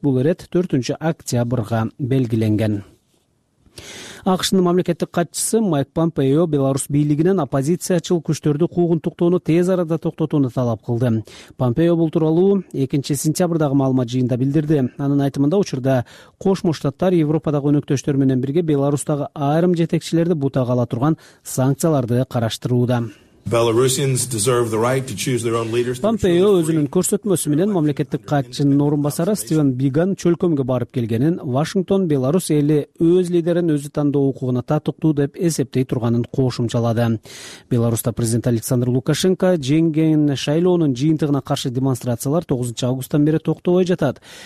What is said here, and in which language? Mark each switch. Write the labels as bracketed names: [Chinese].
[Kyrgyz] Бул ирет 4-октябрга белгиленген. АКШнын мамлекеттик катчысы Майк Помпео Беларусь бийлигинен оппозициячыл күчтөрдү куугунтуктоону тез арада токтотууну талап кылды. Помпео бул тууралуу 2-сентябрдагы маалымат жыйында билдирди. Анын айтымында учурда Кошмо Штаттар Европадагы өнөктөштөр менен бирге Беларусьтагы айрым жетекчилерди бутага ала турган санкцияларды караштырууда. [English] Belarusians deserve the right to choose their own leaders. [Kyrgyz] Помпео өзүнүн көрсөтмөсү менен мамлекеттик катчынын орун басары Стивен Биган чөлкөмгө барып келгенин, Вашингтон Беларусь эли өз лидерин өзү тандоо укугуна татыктуу деп эсептей турганын кошумчалады. Беларусьта президент Александр Лукашенко жеңген шайлоонун жыйынтыгына каршы демонстрациялар 9 августтан бери токтобой жатат.